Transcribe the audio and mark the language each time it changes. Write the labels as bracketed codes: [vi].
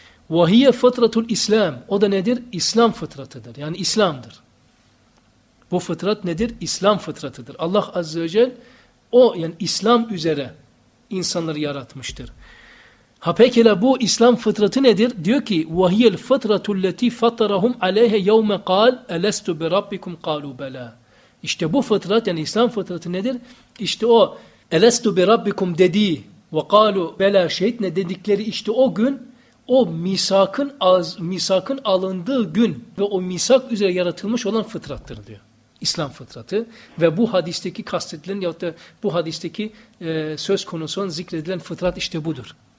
[ar] وَهِيَ فِطْرَةُ الْاِسْلَامِ [tr] o da nedir? İslam fıtratıdır. Yani İslam'dır. Bu fıtrat nedir? İslam fıtratıdır. Allah Azze ve Celle o yani İslam üzere insanları yaratmıştır. Ha pekala bu İslam fıtratı nedir? Diyor ki [ar] وَهِيَ الْفَطْرَةُ الَّتِي فَطَرَهُمْ عَلَيْهَ يَوْمَ قَالْ أَلَسْتُ بِرَبِّكُمْ قَالُوا بَلَى [tr] İşte bu fıtrat yani İslam fıtratı nedir? İşte o [ar] أَلَسْتُ بِرَبِّكُمْ [tr] dediği [ar] وَقَالُوا بَلَى شَهِدْنَ [tr] dedikleri işte o gün o misakın alındığı gün ve o misak üzere yaratılmış olan fıtrattır diyor. İslam fıtratı ve bu hadisteki kastedilen ya da bu hadisteki söz konusu olan zikredilen fıtrat işte budur.